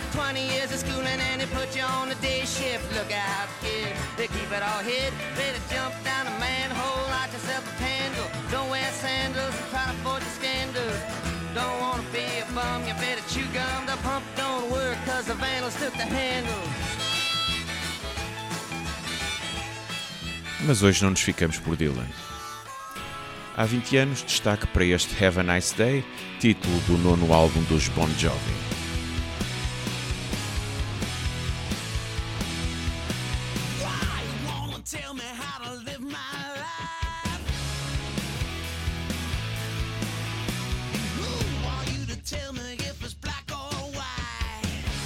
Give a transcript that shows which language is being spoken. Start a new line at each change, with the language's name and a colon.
English: 20 years of schooling and they put you on the day shift. Look out, kid, they keep it all hid. Better jump down a manhole, light yourself a candle. Don't wear sandals and try to forge the scandals. Don't want to be a bum, you better chew gum. The pump don't work cause the vandals took the handle.
Portuguese: Mas hoje não nos ficamos por Dylan. Há 20 anos, destaque para este Have a Nice Day, título do nono álbum dos Bon Jovi.
English: Why you wanna tell me how to live my life? Who are you to tell me if it's black or white?